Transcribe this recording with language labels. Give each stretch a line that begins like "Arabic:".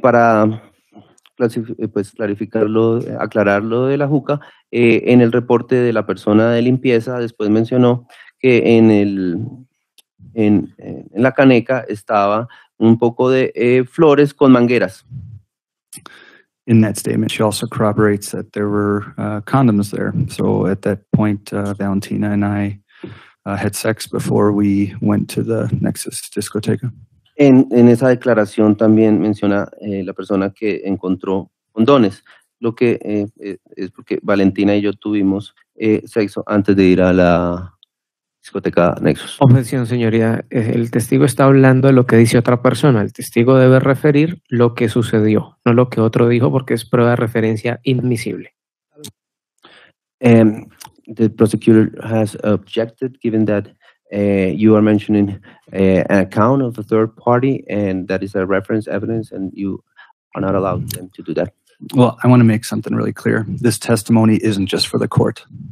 Spanish: Para pues, clarificarlo, aclararlo de la hookah, en el reporte de la persona de limpieza después mencionó que en el en la caneca estaba un poco de flores con mangueras.
English: In that statement, she also corroborates that there were condoms there. So at that point, Valentina and I had sex before we went to the Nexus discoteca.
Spanish: En esa declaración también menciona la persona que encontró condones. Lo que es porque Valentina y yo tuvimos sexo antes de ir a la discoteca Nexus. Objeción, señoría. El testigo está hablando de lo que dice otra persona. El testigo debe referir lo que sucedió, no lo que otro dijo, porque es prueba de referencia inadmisible.
English: The prosecutor has objected, given that you are mentioning an account of a third party, and that is a reference evidence, and you are not allowed them to do that. Well, I want to make something really clear. This testimony isn't just for the court.